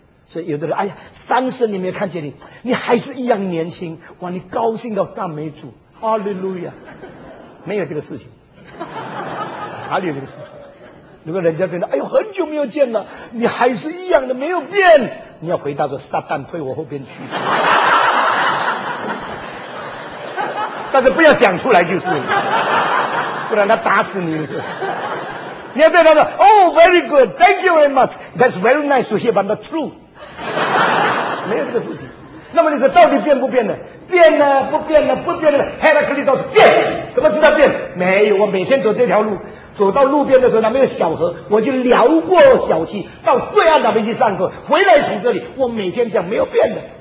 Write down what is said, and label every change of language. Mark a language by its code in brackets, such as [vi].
[zh] 所以有的人，哎呀，三生你没有看见你，你还是一样年轻，哇，你高兴到赞美主，哈利路亚，没有这个事情，哪里有这个事情？如果人家觉得，哎呦，很久没有见了，你还是一样的，没有变，你要回答说，撒旦推我后边去，但是不要讲出来就是，不然他打死你了。你要对他说 [en] ，Oh, very good, thank you very much. That's very nice to hear, but not true. [zh] 没有这个事情。那么你说到底变不变呢？变呢，不变呢，不变呢。Heraclitus 变，什么知道变？没有，我每天走这条路，走到路边的时候，那边有小河，我就撩过小溪，到对岸那边去上课，回来从这里，我每天讲没有变的。